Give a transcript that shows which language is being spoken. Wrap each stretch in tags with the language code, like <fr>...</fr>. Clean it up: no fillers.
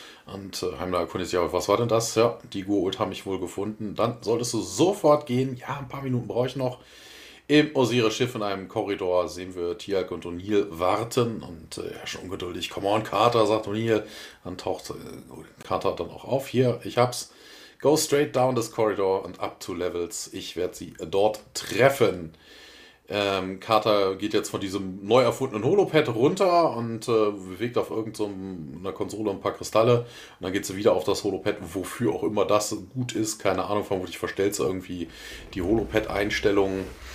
<de>Und Heimdall erkundigt sich, aber was war denn das? Ja, die Go'uld haben mich wohl gefunden. Dann solltest du sofort gehen. Ja, ein paar Minuten brauche ich noch. Im Osiris-Schiff in einem Korridor sehen wir Teal'c und O'Neill warten und ja, schon ungeduldig.</de> <en>Come on, Carter,</en> <de>sagt O'Neill. Dann taucht Carter dann auch auf. Hier, ich hab's.</de> <en>Go straight down this corridor and up two levels.</en> <de>Ich werde sie dort treffen. Carter geht jetzt von diesem neu erfundenen Holopad runter und bewegt auf irgend so einer Konsole ein paar Kristalle. Und dann geht sie wieder auf das Holopad, wofür auch immer das gut ist. Keine Ahnung, vermutlich verstellt sie irgendwie die Holopad-Einstellungen.</de>